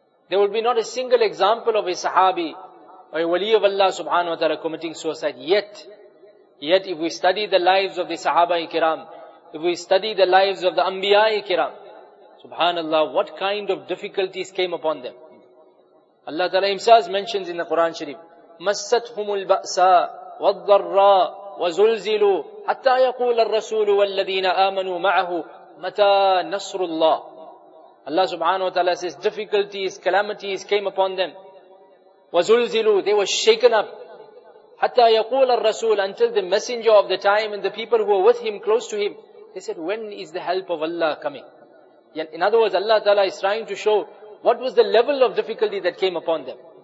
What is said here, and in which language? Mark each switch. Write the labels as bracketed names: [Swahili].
[English] There will be not a single example of a sahabi or a wali of Allah subhanahu wa ta'ala committing suicide. Yet if we study the lives of the sahaba-i-kiram, if we study the lives of the anbiya-i-kiram, subhanallah, what kind of difficulties came upon them. Allah ta'ala himself mentions in the Quran Sharif, [Arabic] مَسَّتْهُمُ الْبَأْسَى وَالضَّرَّى وَزُلْزِلُوا حَتَّى يَقُولَ الرَّسُولُ وَالَّذِينَ آمَنُوا مَعَهُ مَتَى نَصْرُ اللَّهِ. [English] Allah subhanahu wa ta'ala says, difficulties, calamities came upon them. [Arabic] وَزُلْزِلُوا, [English] they were shaken up. [Arabic] حَتَّى يَقُولَ الرَّسُولُ, [English] until the messenger of the time and the people who were with him, close to him, They said, when is the help of Allah coming? In other words, Allah Ta'ala is trying to show what was the level of difficulty that came upon them.